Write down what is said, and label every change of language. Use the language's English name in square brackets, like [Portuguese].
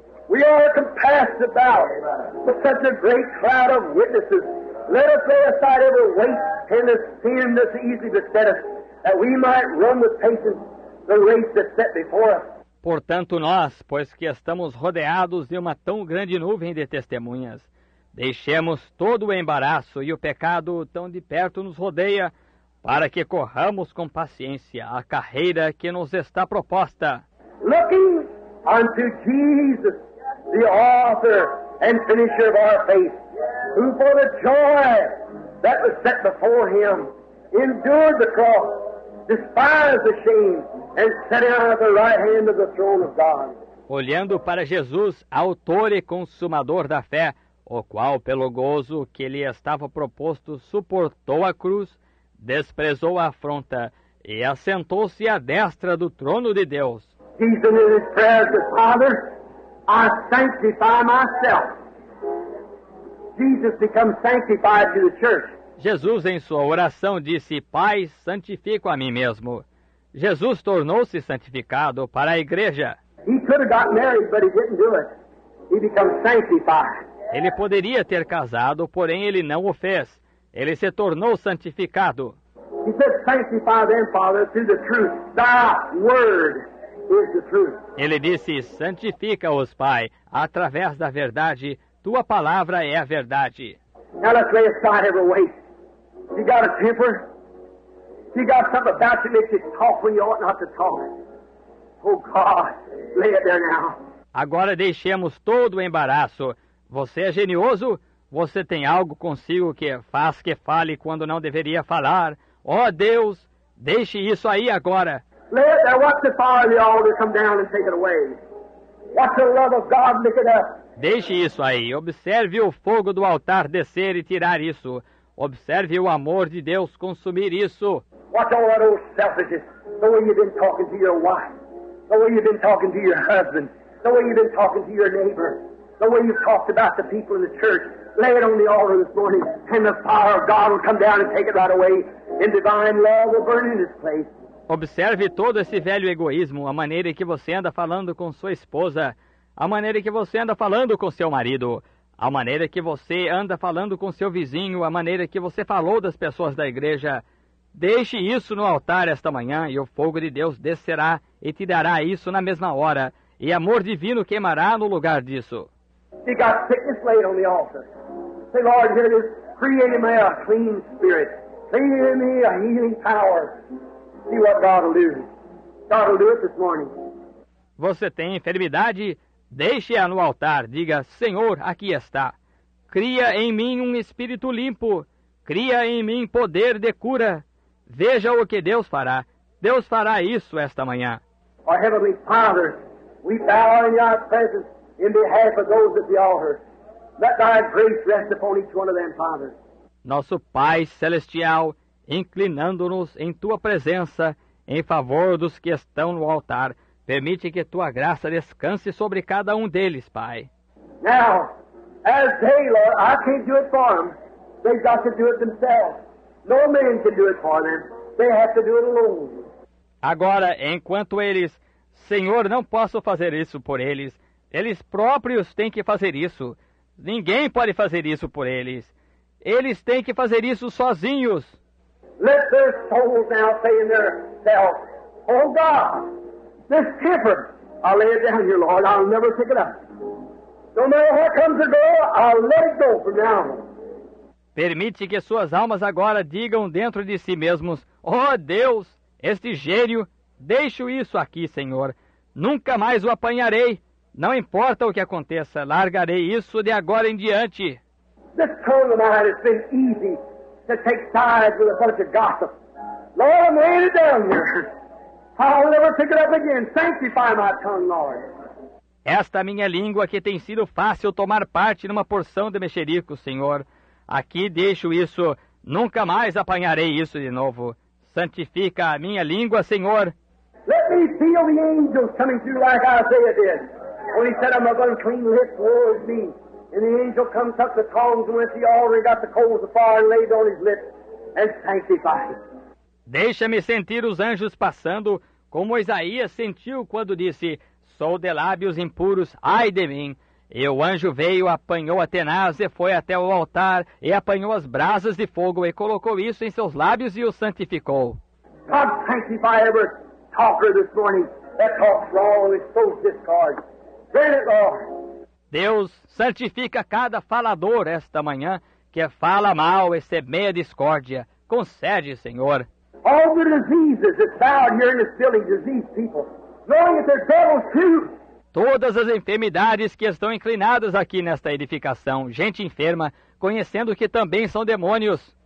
[English] We are compassed about with such a great cloud of witnesses. Let us lay aside every weight and the sin that's easily beset us, that we might run with patience the race that's set before us. [Portuguese] Portanto, nós, pois que estamos rodeados de uma tão grande nuvem de testemunhas, deixemos todo o embaraço e o pecado tão de perto nos rodeia, para que corramos com paciência a carreira que nos está proposta. [English] Looking unto Jesus, the author and finisher of our faith, who for the joy that was set before him endured the cross, despised the shame, and sat down at the right hand of the throne of God. [Portuguese] Olhando para Jesus, autor e consumador da fé, o qual, pelo gozo que lhe estava proposto, suportou a cruz, desprezou a afronta e assentou-se à destra do trono de Deus. [English] Jesus, in his prayer to the Father, I sanctify myself. Jesus becomes sanctified to the church. [Portuguese] Jesus, em sua oração, disse, Pai, santifico a mim mesmo. Jesus tornou-se santificado para a igreja. [English] He could have got married, but he didn't do it. He becomes sanctified. [Portuguese] Ele poderia ter casado, porém ele não o fez. Ele se tornou santificado. [English] He said, sanctify them, Father, through the truth. Thy word is the truth. [Portuguese] Ele disse, santifica-os, Pai, através da verdade. Tua palavra é a verdade. [English] Now let's lay aside every weight. You got a temper? You got something about you that makes you talk when you ought not to talk? Oh, God, lay it there now. [Portuguese] Agora deixemos todo o embaraço. Você é genioso? Você tem algo consigo que faz que fale quando não deveria falar? Ó Deus, deixe isso aí agora. [English] Let it there. Watch the fire of the altar come down and take it away. Watch the love of God lick it up. [Portuguese] Deixe isso aí. Observe o fogo do altar descer e tirar isso. Observe o amor de Deus consumir isso. [English] Watch all that old selfishness. The way you've been talking to your wife. The way you've been talking to your husband. The way you've been talking to your neighbor. The way you've talked about the people in the church. Lay it on the altar this morning and the fire of God will come down and take it right away. And divine love will burn in this place. [Portuguese] Observe todo esse velho egoísmo, a maneira que você anda falando com sua esposa, a maneira que você anda falando com seu marido, a maneira que você anda falando com seu vizinho, a maneira que você falou das pessoas da igreja. Deixe isso no altar esta manhã e o fogo de Deus descerá e te dará isso na mesma hora. E amor divino queimará no lugar disso. [English] He got sickness laid on the altar. Say, Lord, here it is. Create in me a clean spirit. Create in me a healing power. See what God will do. God will do it this morning. [Portuguese] Você tem enfermidade? Deixe-a no altar, diga, Senhor, aqui está. Cria em mim um espírito limpo. Cria em mim poder de cura. Veja o que Deus fará. Deus fará isso esta manhã. [English] Our Heavenly Father, we bow in your presence in behalf of those at the altar. Let thy grace rest upon each one of them, Father. [Portuguese] Nosso Pai Celestial, inclinando-nos em tua presença, em favor dos que estão no altar, permite que tua graça descanse sobre cada um deles, Pai. [English] Now, as they, Lord, I can't do it for them. They've got to do it themselves. No man can do it for them. They have to do it alone. [Portuguese] Agora, enquanto eles, Senhor, não posso fazer isso por eles. Eles próprios têm que fazer isso. Ninguém pode fazer isso por eles. Eles têm que fazer isso sozinhos. [English] Let their souls now say in their self, oh God, this temper, I'll lay it down here, Lord. I'll never pick it up. No matter what comes or goes, I'll let it go for now. [Portuguese] Permite que suas almas agora digam dentro de si mesmos, oh Deus, este gênio, deixo isso aqui, Senhor. Nunca mais o apanharei. Não importa o que aconteça, largarei isso de agora em diante. [English] This tone of mine has been easy to take sides with a bunch of gossip. Lord, I'm laying it down here. I'll never pick it up again. Sanctify my tongue, Lord. [Portuguese] Esta minha língua que tem sido fácil tomar parte numa porção de mexerico, Senhor. Aqui deixo isso. Nunca mais apanharei isso de novo. Santifica a minha língua, Senhor. [English] Let me feel the angels coming through like Isaiah did. When he said, I'm of unclean lips, woe is me. And the angel comes up the tongs and went, he already got the coals of fire laid on his lips and sanctified. [Portuguese] Deixa-me sentir os anjos passando, como Isaías sentiu quando disse, sou de lábios impuros, ai de mim. E o anjo veio, apanhou a tenaz e foi até o altar e apanhou as brasas de fogo e colocou isso em seus lábios e o santificou. [English] God sanctify every talker this morning that talks wrong and sows discord. Bring it, Lord. [Portuguese] Deus santifica cada falador esta manhã que fala mal e semeia discórdia. Concede, Senhor. [English] All the diseases that sound here in this building disease people, knowing that they're devils too. [Portuguese] Todas as enfermidades que estão inclinadas aqui nesta edificação, gente enferma, conhecendo que também são demônios.